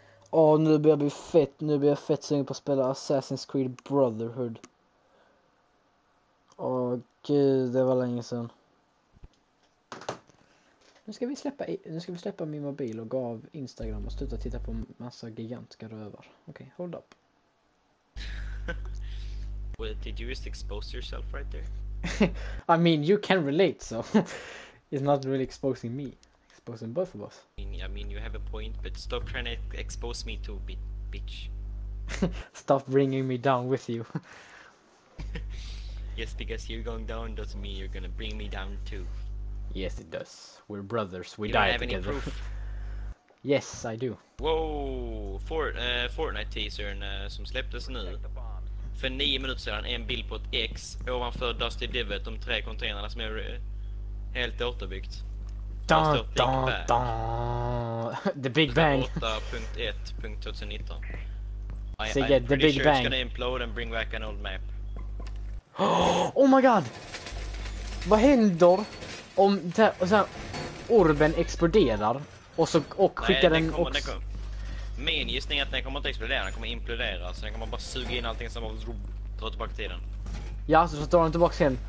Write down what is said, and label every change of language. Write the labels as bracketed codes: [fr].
[sv] Åh, oh, nu blir jag fett sugen på att spela Assassin's Creed Brotherhood. Åh, oh, gud, det var länge sedan. Nu ska vi släppa min mobil och gå av Instagram och sluta titta på massa gigantiska rövar. Okej, okay, [en] hold up. Well, did you just expose yourself right there? I mean, you can relate, so it's not really exposing me. Exposing both of us. I mean, you have a point, but stop trying to expose me to bitch. Stop bringing me down with you. Yes, because you're going down doesn't mean you're gonna bring me down too. Yes, it does. We're brothers. We die together. You don't have any proof? Yes, I do. Whoa! [sv] Fortnite-teasern som släpptes nu. För 9 minuter sedan, en bild på ett X ovanför Dusty Divot, de 3 containerna som är helt återbyggt. [en] Dun, dun, dun. The Big Bang. 8.1.2019. I'm pretty big sure bang. It's gonna implode and bring back an old map. Oh my god! [sv] Vad händer om det här, och sen orben exploderar och så och skickar den också? Nej, den kommer, min gissning är att den kommer inte explodera, den kommer implodera. Så den kommer bara suga in allting som bara drar tillbaka tiden. Ja, så drar den tillbaka igen.